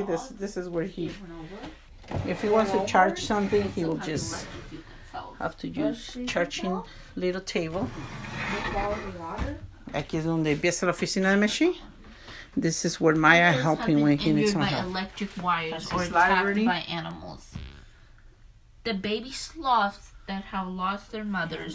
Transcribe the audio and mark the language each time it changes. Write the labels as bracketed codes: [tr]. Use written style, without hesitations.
[en] This is where he, if he wants to charge something, he will just have to use charging little table. [es] Aquí es donde empieza la oficina de Meshi. [en] This is where Maya helping when he needs some help. That's the baby sloths that have lost their mothers.